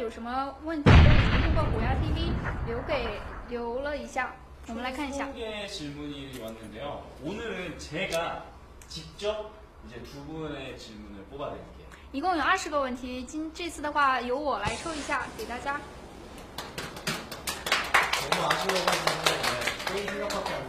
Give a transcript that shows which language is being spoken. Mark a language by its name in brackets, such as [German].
[Chinese] 我来到这里也是为了和大家沟通，然后大家有什么问题都可以通过虎牙 TV 留了一下，我们来看一下。 [Korean] 총계 질문이 왔는데요. 오늘은 제가 직접 이제 두 분의 질문을 뽑아드릴게요. [Chinese] 一共有20个问题，今这次的话由我来抽一下给大家。 [Korean] 너무 아쉬워가지고 게임 생각밖에 안